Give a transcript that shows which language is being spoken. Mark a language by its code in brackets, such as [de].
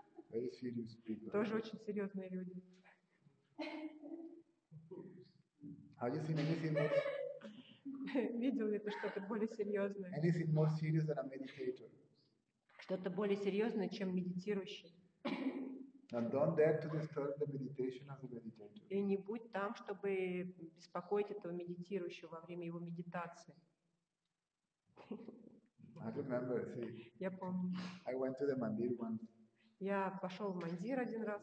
[en] Very serious people. [ru] Тоже очень серьезные люди. [en] Have you seen anything more? [ru] Видел ли ты что-то более серьезное? [en] Anything more serious than a meditator? [ru] Что-то более серьезное, чем медитирующий? [en] And don't dare to disturb the meditation of the meditator. [ru] И не будь там, чтобы беспокоить этого медитирующего во время его медитации. [en] I remember, see. [ru] Я помню. [en] I went to the mandir once. [ru] Я пошел в мандир один раз.